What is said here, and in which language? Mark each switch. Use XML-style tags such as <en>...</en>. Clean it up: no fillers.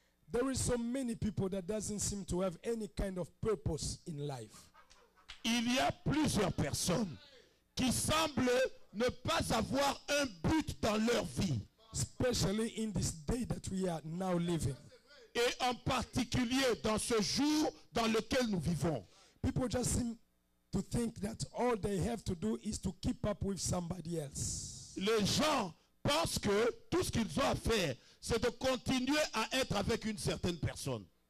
<en>There is so many people that doesn't seem to have any kind of purpose in life.</en> <fr>Il y a plusieurs personnes qui semblent ne pas avoir un but dans leur vie.</fr> <en>Especially in this day that we are now living.</en> <fr>Et en particulier dans ce jour dans lequel nous vivons.</fr> <en>People just seem to think that all they have to do is to keep up with somebody else.</en> <fr>Les gens pensent que tout ce qu'ils ont à faire, c'est de continuer à être avec une certaine personne.</fr>